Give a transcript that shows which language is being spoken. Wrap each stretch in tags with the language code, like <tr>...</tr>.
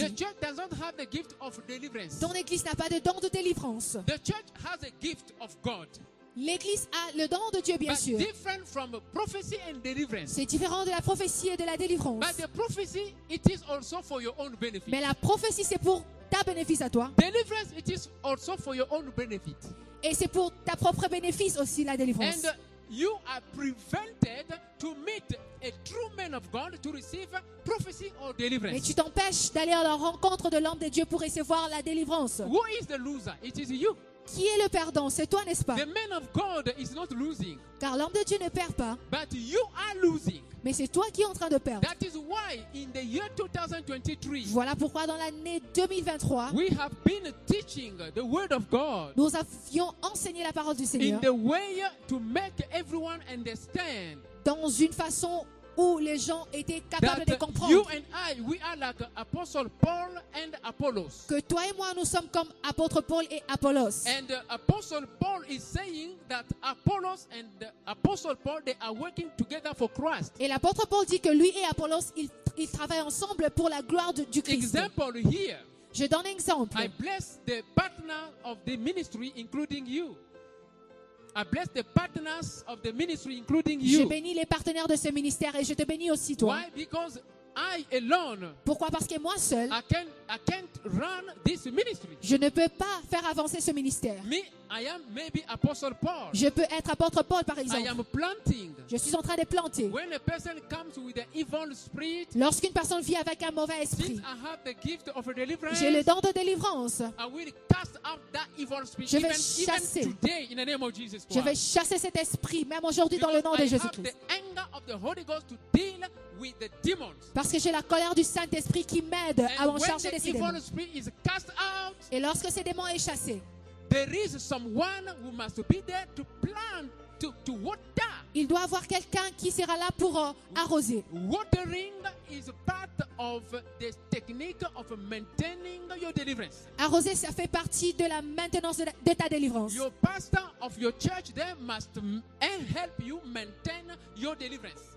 <en>The church doesn't have the gift of deliverance.</en> <fr>Ton église n'a pas de don de délivrance.</fr> <en>The church has a gift of God.</en> <fr>L'église a le don de Dieu, bien</fr> <en>but</en> <fr>sûr.</fr> <en>Different from prophecy and deliverance.</en> <fr>C'est différent de la prophétie et de la délivrance.</fr> <en>But the prophecy, it is also for your own benefit.</en> <fr>Mais la prophétie, c'est pour ta ta bénéfice à toi.</fr> <en>Deliverance, it is also for your own benefit.</en> <fr>Et c'est pour ta propre bénéfice aussi la délivrance.</fr> <en>And you are prevented to meet a true man of God to receive prophecy or deliverance.</en> <fr>Mais tu t'empêches d'aller à la rencontre de l'homme de Dieu pour recevoir la délivrance.</fr> <en>Who is the loser? It is you.</en> <fr>Qui est le perdant? C'est toi, n'est-ce pas?</fr> <en>The man of God is not losing.</en> <fr>Car l'homme de Dieu ne perd pas.</fr> <en>But you are losing.</en> <fr>Mais c'est toi qui es en train de perdre.</fr> <en>That is why in the year 2023,</en> <fr>voilà pourquoi dans l'année 2023,</fr> <en>we have been teaching the word of God,</en> <fr>nous avions enseigné la parole du Seigneur,</fr> <en>in the way to make everyone understand,</en> <fr>dans une façon où les gens étaient capables</fr> <en>that</en> <fr>de comprendre,</fr> <en>you and I, we are like Apostle Paul and Apollos.</en> <fr>Que toi et moi nous sommes comme apôtre Paul et Apollos.</fr> <en>And Apostle Paul is saying that Apollos and Apostle Paul, they are working together for Christ.</en> <fr>Et l'apôtre Paul dit que lui et Apollos ils travaillent ensemble pour la gloire du Christ.</fr> <en>Example here.</en> <fr>Je donne un exemple.</fr> <en>I bless the partners of the ministry, including you. I bless the partners of the ministry, including you.</en> <fr>Je bénis les partenaires de ce ministère et je te bénis aussi toi.</fr> <en>Why? Because I alone.</en> <fr>Pourquoi? Parce que moi seul.</fr> <en>I can't run this ministry.</en> <fr>Je ne peux pas faire avancer ce ministère.</fr> <en>Me, I am maybe Apostle Paul.</en> <fr>Je peux être apôtre Paul, par exemple.</fr> <en>I am planting.</en> <fr>Je suis en train de planter.</fr> <en>When a person comes with an evil spirit.</en> <fr>Lorsqu'une personne vit avec un mauvais esprit.</fr> <en>Since I have the gift of a deliverance.</en> <fr>J'ai le don de délivrance.</fr> <en>I will cast out that evil spirit.</en> <fr>Je vais chasser.</fr> <en>Even today, in the name of Jesus Christ.</en> <fr>Je vais chasser cet esprit, même aujourd'hui,</fr> <en>because</en> <fr>dans le nom</fr> <en>I</en> <fr>de Jésus-Christ.</fr> <en>Have the anger of the Holy Ghost to deal with the demons.</en> <fr>Parce que j'ai la colère du Saint-Esprit qui m'aide à en charger les démons.</fr> <en>Is cast out,</en> <fr>et lorsque ces démons sont chassés,</fr> <en>there is someone who must be there to plant, to water.</en> <fr>Il doit avoir quelqu'un qui sera là pour arroser.</fr> <en>Watering is part of the technique of maintaining your deliverance.</en> <fr>Arroser, ça fait partie de la maintenance de ta délivrance.</fr> <en>Your pastor of your church there must help you maintain your deliverance.</en>